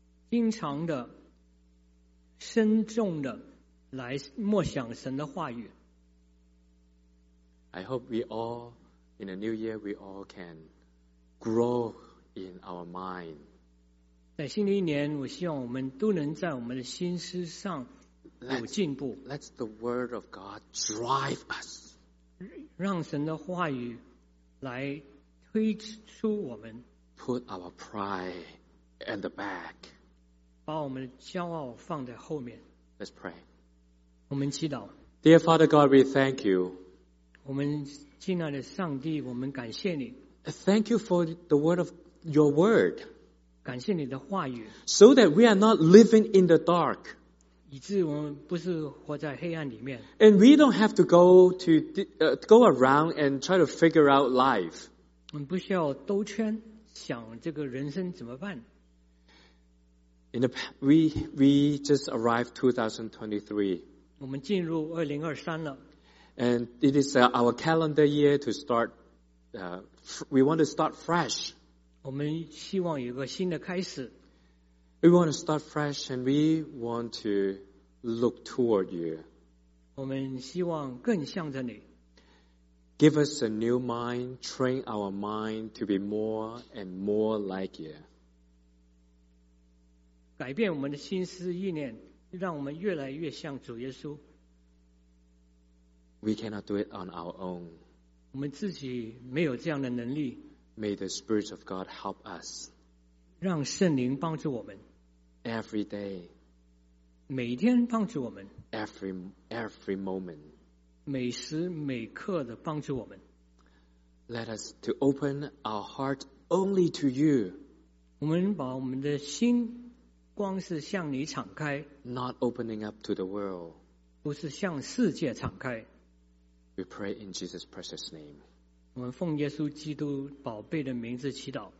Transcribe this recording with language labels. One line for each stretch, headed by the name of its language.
Chinese: 经常的、深重的来默想神的话语。
English: I hope we all, in a new year, we all can grow in our mind.
Chinese: 在新的一年，我希望我们都能在我们的心思上有进步。
English: Let the Word of God drive us.
Chinese: 让神的话语来推出我们。
English: Put our pride in the back.
Chinese: 把我们的骄傲放在后面。
English: Let's pray.
Chinese: 我们祈祷。
English: Dear Father God, we thank you.
Chinese: 我们敬爱的上帝，我们感谢你。
English: Thank you for the word of your word.
Chinese: 感谢你的话语。
English: So that we are not living in the dark.
Chinese: 以致我们不是活在黑暗里面。
English: And we don't have to go around and try to figure out life.
Chinese: 我们不需要兜圈想这个人生怎么办。
English: We just arrived 2023.
Chinese: 我们进入2023了。
English: And it is our calendar year to start. We want to start fresh.
Chinese: 我们希望有个新的开始。
English: We want to start fresh, and we want to look toward you.
Chinese: 我们希望更向着你。
English: Give us a new mind, train our mind to be more and more like you.
Chinese: 改变我们的心思意念，让我们越来越像主耶稣。
English: We cannot do it on our own.
Chinese: 我们自己没有这样的能力。
English: May the Spirit of God help us.
Chinese: 让圣灵帮助我们。
English: Every day.
Chinese: 每天帮助我们。
English: Every moment.
Chinese: 每时每刻的帮助我们。
English: Let us to open our heart only to you.
Chinese: 我们把我们的心光是向你敞开。
English: Not opening up to the world.
Chinese: 不是向世界敞开。
English: We pray in Jesus' precious name.
Chinese: 我们奉耶稣基督宝贝的名字祈祷。